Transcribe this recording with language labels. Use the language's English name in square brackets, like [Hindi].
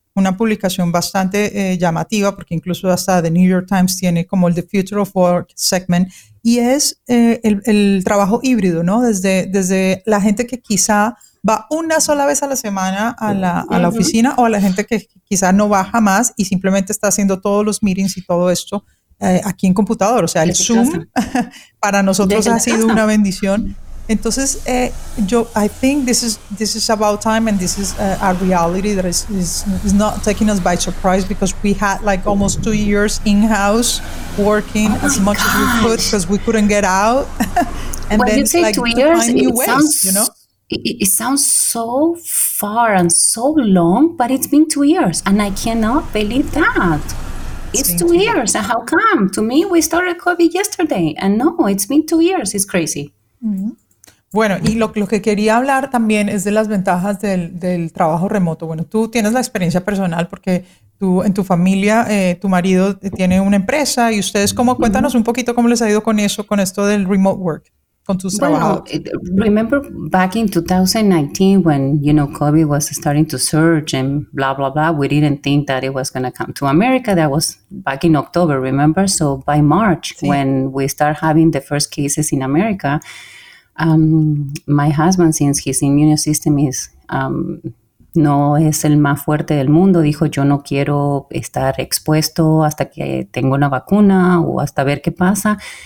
[Spanish] Una publicación bastante llamativa, porque incluso hasta The New York Times tiene como el The Future of Work segment, y es el trabajo híbrido, ¿no? Desde la gente que quizá va una sola vez a la semana a la oficina, o a la gente que quizá no va jamás y simplemente está haciendo todos los meetings y todo esto aquí en computador. O sea, el Zoom para nosotros ha sido una bendición. Entonces, yo, [English] I think this is about time, and this is a reality that is not taking us by surprise, because we had like almost 2 years in-house working as much as we could because we couldn't get out. And when then, you say like, 2 years, it sounds so far and so long, but it's been 2 years, and I cannot believe that. It's 2 years, and how come? To me, we started COVID yesterday, and no, it's been 2 years, it's crazy. Mm-hmm. [Spanish] Bueno, y lo que quería hablar también es de las ventajas del trabajo remoto. Bueno, tú tienes la experiencia personal porque En tu familia, tu marido tiene una empresa y ustedes, ¿cómo? Cuéntanos un poquito cómo les ha ido con eso, con esto del remote work, con tus trabajos. [English] Remember back in 2019 when, you know, COVID was starting to surge and blah, blah, blah, we didn't think that it was going to come to America. That was back in October, remember? So by March, sí, when we start having the first cases in America, my husband, since his immune system is... [Spanish] no es el más fuerte del mundo, dijo, yo no quiero estar expuesto hasta que tenga una vacuna o hasta ver qué pasa.